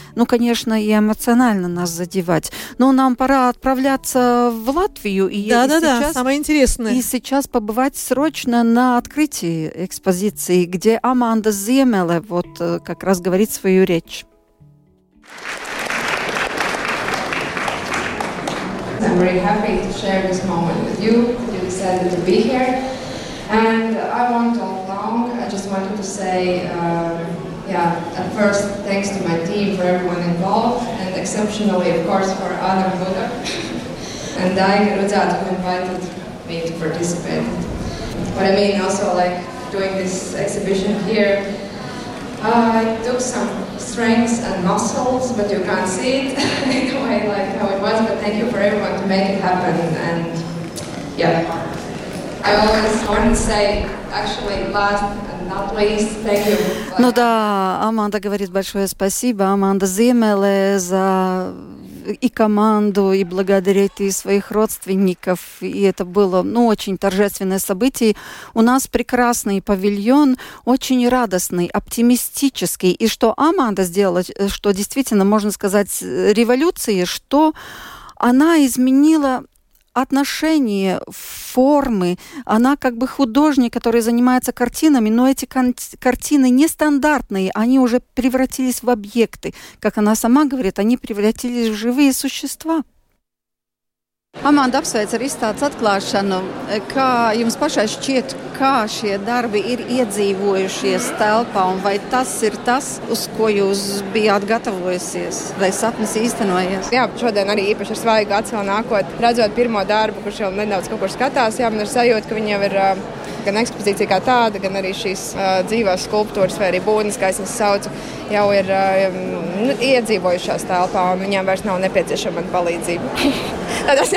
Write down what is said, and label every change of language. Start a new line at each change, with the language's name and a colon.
Russian: Ну, конечно, и эмоционально нас задевать. Но нам пора отправляться в Латвию. Да-да-да, самое интересное. И сейчас побывать срочно на открытии экспозиции, где Аманда Земеле вот как раз говорит свою речь.
English: I'm very happy to share this moment with you. You decided to be here. And I won't talk long. I just wanted to say, at first, thanks to my team for everyone involved, and exceptionally, of course, for Adam Buda and Diane Rudat, who invited me to participate. But I mean, also, like, doing this exhibition here, I took some strengths and muscles, but you can't see it in a way like how it was, but thank you for everyone to make it happen, and yeah. I always want to say, actually, last and not least, thank you.
Russian: Ну да, Аманда говорит большое спасибо, Аманда Земеле, за и команду, и благодарить и своих родственников. И это было, ну, очень торжественное событие. У нас прекрасный павильон, очень радостный, оптимистический. И что Аманда сделала, что действительно, можно сказать, революция, что она изменила отношение, формы. Она как бы художник, который занимается картинами, но эти картины нестандартные, они уже превратились в объекты. Как она сама говорит, они превратились в живые существа.
Latvian: Аманда, apsveicu ar izstādes atklāšanu. Kā jums pašai šķiet, kā šie darbi ir iedzīvojušies telpā un vai tas ir tas, uz ko jūs bijāt gatavojusies, lai sapnis īstenojies? Jā, šodien arī īpaši ar svaigu atsvēl nākot, redzot pirmo darbu, kurš jau nedaudz kaut kur skatās, jā, man ir sajūta, ka viņi jau ir gan ekspozīcija kā tāda, gan arī šīs dzīvās skulptūras vai arī būdnes, kā es viņas saucu, jau ir iedzīvojušās telpā un viņām vairs nav nepieciešama man palīdzība.